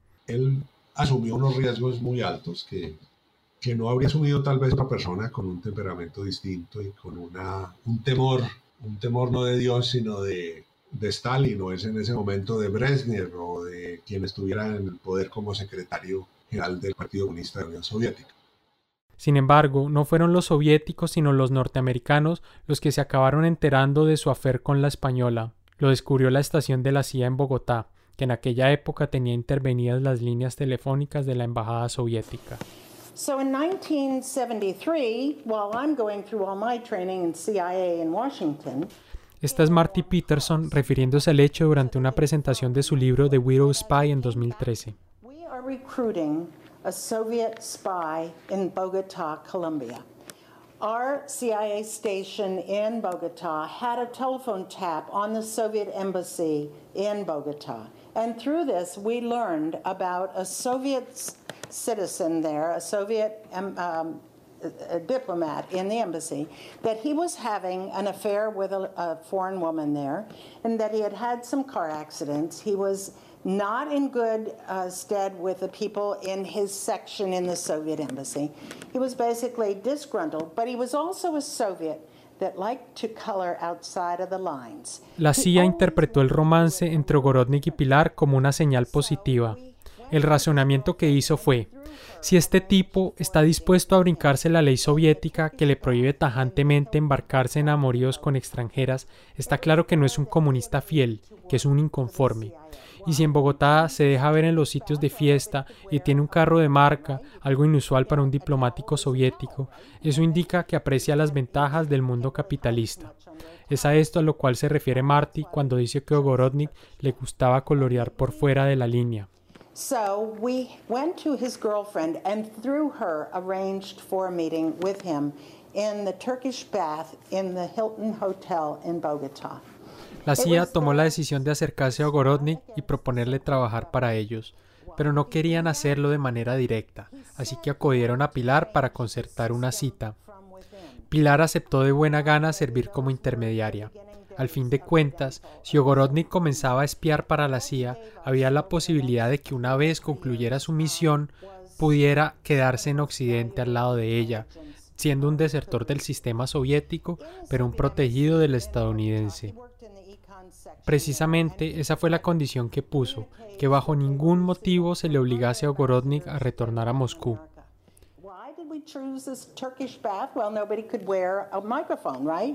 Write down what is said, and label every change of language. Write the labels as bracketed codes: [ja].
[es] Él asumió unos riesgos muy altos que que no habría asumido tal vez otra persona con un temperamento distinto y con un temor no de Dios, sino de Stalin, o es en ese momento de Brezhnev, o de quien estuviera en el poder como secretario general del Partido Comunista de la Unión Soviética. Sin embargo, no fueron los soviéticos sino los norteamericanos los que se acabaron enterando de su afer con la española. Lo descubrió la estación de la CIA en Bogotá, que en aquella época tenía intervenidas las líneas telefónicas de la embajada soviética. [en] So in 1973, while I'm going through all my training in CIA in Washington, [es] esta es Marty Peterson refiriéndose al hecho durante una presentación de su libro The Widow Spy en 2013. [en] We are recruiting a Soviet spy in Bogotá, Colombia. Our CIA station in Bogotá had a telephone tap on the Soviet embassy in Bogotá. And through this, we learned about a Soviet citizen there, a Soviet a diplomat in the embassy, that he was having an affair with a foreign woman there, and that he had had some car accidents. He was not in good stead with the people in his section in the Soviet embassy. He was basically disgruntled, but he was also a Soviet that liked to color outside of the lines. [es] La CIA interpretó el romance entre Gorodnik y Pilar como una señal positiva. El razonamiento que hizo fue: si este tipo está dispuesto a brincarse la ley soviética que le prohíbe tajantemente embarcarse en amoríos con extranjeras, está claro que no es un comunista fiel, que es un inconforme. Y si en Bogotá se deja ver en los sitios de fiesta y tiene un carro de marca, algo inusual para un diplomático soviético, eso indica que aprecia las ventajas del mundo capitalista. Es a esto a lo cual se refiere Marty cuando dice que Ogorodnik le gustaba colorear por fuera de la línea. [en] So we went to his girlfriend and through her arranged for a meeting with him in the Turkish bath in the Hilton Hotel in Bogotá. [es] La CIA tomó la decisión de acercarse a Ogorodnik y proponerle trabajar para ellos, pero no querían hacerlo de manera directa, así que acudieron a Pilar para concertar una cita. Pilar aceptó de buena gana servir como intermediaria. Al fin de cuentas, si Ogorodnik comenzaba a espiar para la CIA, había la posibilidad de que una vez concluyera su misión, pudiera quedarse en Occidente al lado de ella, siendo un desertor del sistema soviético, pero un protegido del estadounidense. Precisamente, esa fue la condición que puso, que bajo ningún motivo se le obligase a Ogorodnik a retornar a Moscú. [en] Choose this Turkish bath? Well, nobody could wear a microphone, right?